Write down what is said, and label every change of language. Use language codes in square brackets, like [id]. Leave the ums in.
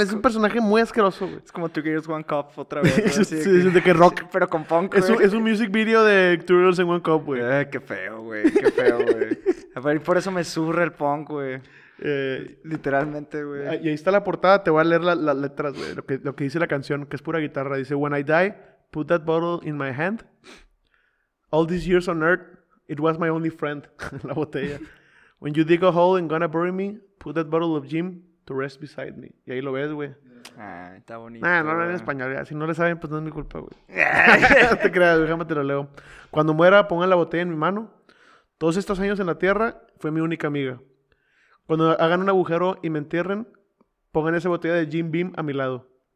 [es] Es un personaje muy asqueroso, güey. Es como Two Girls One Cup otra vez. eso, así sí, de sí, que, es de que rock. Sí, pero con punk, es güey. Un, es un, music video de Two Girls One Cup, güey. Eh, qué feo, güey. Qué feo, güey. A ver, y por eso me surre el punk, güey. Eh, Literalmente, ah, güey. Y ahí está la portada. Te voy a leer las la letras, güey. Lo que, lo que dice la canción, que es pura guitarra. [en] Dice: When I die put that bottle in my hand. All these years on earth, it was my only friend, [es] la botella. [en] When you dig a hole and gonna bury me, put that bottle of Jim to rest beside me. [es] Y ahí lo ves, güey. Ah, está bonito. Nah, no, no eh. en español, ya. Si no le saben, pues no es mi culpa, güey. no te creas, déjame te lo leo. Cuando muera, pongan la botella en mi mano. Todos estos años en la tierra, fue mi única amiga. Cuando hagan un agujero y me entierren, pongan esa botella de Jim Beam a mi lado.